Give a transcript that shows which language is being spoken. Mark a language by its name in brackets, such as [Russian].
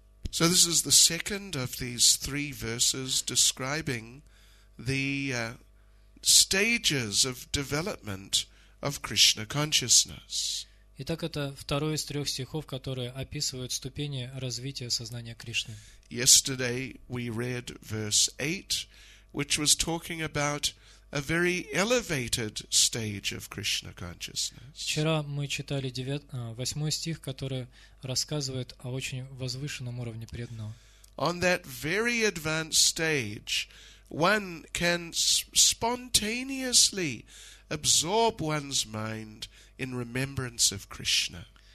[English] So this is the second of these three verses describing the stages of development of Krishna consciousness. [Russian] Итак, это второй из трех стихов, которые описывают ступени развития сознания Кришны. [English] Yesterday we read verse 8, which was talking about a very elevated stage of Krishna consciousness. [Russian] Вчера мы читали восьмой стих, который рассказывает о очень возвышенном уровне преданного. [English] On that very advanced stage, one can spontaneously absorb one's mind in remembrance of Krishna.